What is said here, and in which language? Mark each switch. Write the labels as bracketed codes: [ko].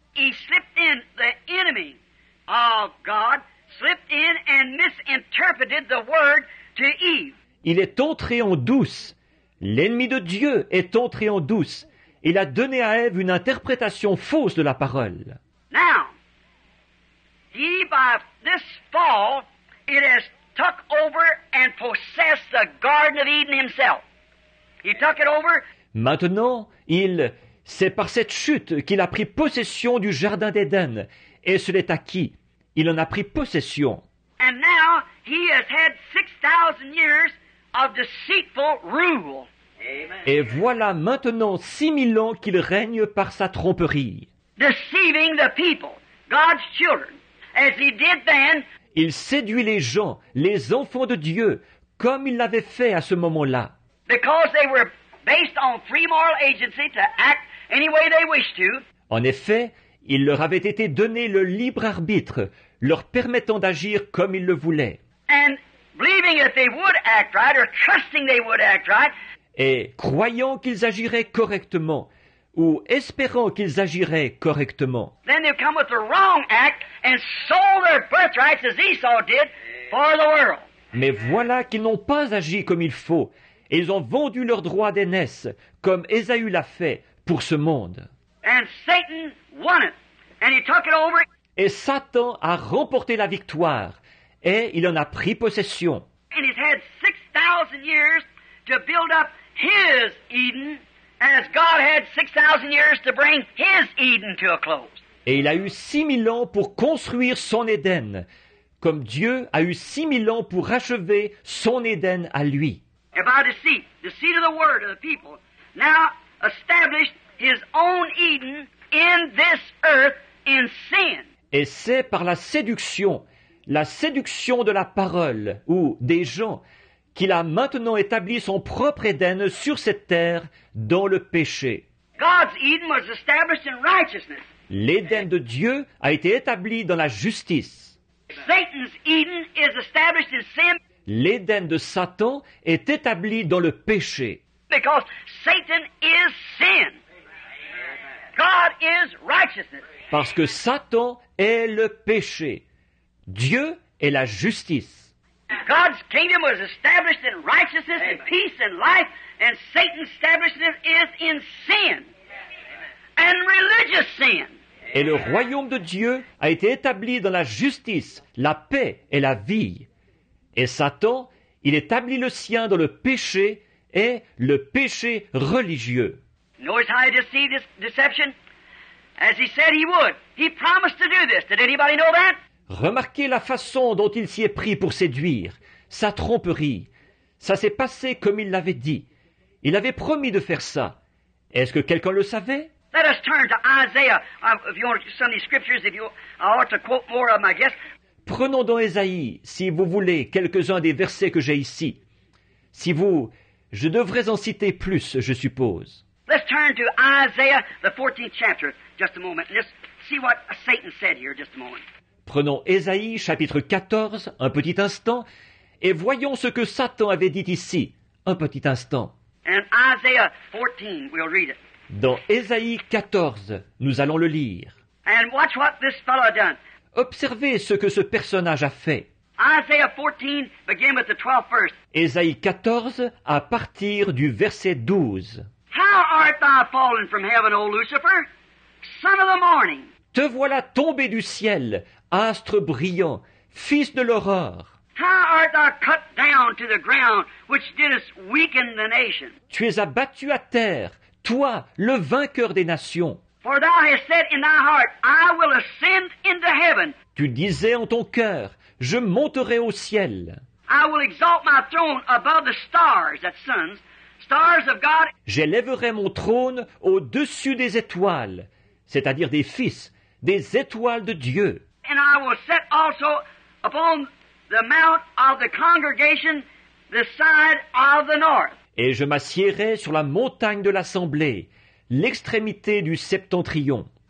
[en] He slipped in, the enemy of God slipped in and misinterpreted the word to Eve. [fr] Il est entré en douce. L'ennemi de Dieu est entré en douce. Il a donné à Ève une interprétation fausse de la parole. [en] Now, he by this fall, it has took over and possessed the Garden of Eden himself. He took it over. [fr] Maintenant, c'est par cette chute qu'il a pris possession du Jardin d'Éden et se l'est acquis. Il en a pris possession. [en] And now, he has had 6,000 years of deceitful rule. [fr] Et voilà maintenant 6,000 ans qu'il règne par sa tromperie. [en] Deceiving the people, God's children, as he did then. [fr] Il séduit les gens, les enfants de Dieu, comme il l'avait fait à ce moment-là. [en] Because they were based on free moral agency to act any way they wished to. [fr] En effet, il leur avait été donné le libre arbitre, leur permettant d'agir comme ils le voulaient. [en] And believing that they would act right, or trusting they would act right. [fr] Et croyant qu'ils agiraient correctement, ou espérant qu'ils agiraient correctement. [en] Then they come with the wrong act and sold their birthrights as Esau did for the world. [fr] Mais voilà qu'ils n'ont pas agi comme il faut. Ils ont vendu leurs droits d'aînesse, comme Ésaü l'a fait, pour ce monde. [en] And Satan won it, and he took it over. [fr] Et Satan a remporté la victoire, et il en a pris possession. [en] And he's had 6,000 years to build up his Eden, as God had 6,000 years to bring his Eden to a close. [fr] Et il a eu 6,000 ans pour construire son Éden, comme Dieu a eu 6,000 ans pour achever son Éden à lui. [en] And by deceit, the seed of the word of the people, now established his own Eden in this earth in sin. [fr] Et c'est par la séduction de la parole ou des gens, qu'il a maintenant établi son propre Éden sur cette terre dans le péché. [en] God's Eden was established in righteousness. [fr] L'Éden de Dieu a été établi dans la justice. [en] Satan's Eden is established in sin. [fr] L'Éden de Satan est établi dans le péché. [en] Because Satan is sin. God is righteousness. [fr] Parce que Satan est le péché. Dieu est la justice. [en] God's kingdom was established in righteousness and peace and life, and Satan's establishment is in sin and religious sin. [fr] Et le royaume de Dieu a été établi dans la justice, la paix et la vie. Et Satan, il établit le sien dans le péché et le péché religieux. [en] Notice how he deceived this deception? As he said he would. He promised to do this. Did anybody know that? [fr] Remarquez la façon dont il s'y est pris pour séduire. Sa tromperie. Ça s'est passé comme il l'avait dit. Il avait promis de faire ça. Est-ce que quelqu'un le savait? [en] Let us turn to Isaiah. If you want Sunday scriptures, if you, I ought to quote more of them, I guess. [fr] Prenons dans Ésaïe, si vous voulez, quelques-uns des versets que j'ai ici. Si vous, je devrais en citer plus, je suppose. [en] Let's turn to Isaiah, the 14th chapter, just a moment. Let's see what Satan said here, just a moment. [fr] Prenons Ésaïe, chapitre 14, un petit instant, et voyons ce que Satan avait dit ici, un petit instant. [en] And Isaiah 14, we'll read it. [fr] Dans Ésaïe 14, nous allons le lire. [en] And watch what this fellow done. [fr] Observez ce que ce personnage a fait. [en] Isaiah 14 began with the 12th verse. [fr] Ésaïe 14, à partir du verset 12. [en] How art thou fallen from heaven, O Lucifer, son of the morning? [fr] Te voilà tombé du ciel, astre brillant, fils de l'aurore. [en] How art thou cut down to the ground, which didst weaken the nation? [fr] Tu es abattu à terre. Toi, le vainqueur des nations. [en] For thou hast said in thy heart, I will ascend into heaven. [fr] Tu disais en ton cœur, je monterai au ciel. [en] I will exalt my throne above the stars, that's suns, stars of God. [fr] J'élèverai mon trône au-dessus des étoiles, c'est-à-dire des fils, des étoiles de Dieu. [en] And I will set also upon the mount of the congregation the side of the north. [fr] Et je m'assiérai sur la montagne de l'Assemblée, l'extrémité du septentrion.